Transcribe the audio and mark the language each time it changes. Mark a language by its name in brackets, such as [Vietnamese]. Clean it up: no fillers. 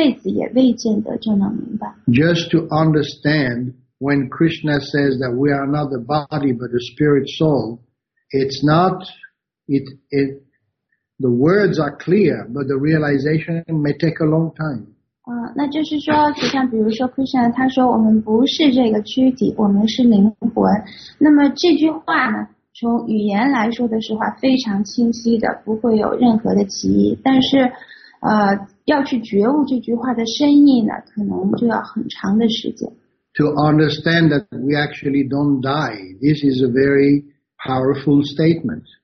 [Chinese] 那有些人他理解起来可能是一瞬间就能明白，但是有些人呢，可能需要用一辈子也未见得就能明白。Just [English] to understand when Krishna says that we are not the body but the spirit soul, the words are clear, but the realization may take a long time. [Chinese] 那就是说，就像比如说 Krishna 他说我们不是这个躯体，我们是灵魂。那么这句话呢，从语言来说的是话非常清晰的，不会有任何的歧义。但是，要去觉悟这句话的深意呢，可能就要很长的时间。 [English] To understand that we actually don't die, this is a very powerful statement.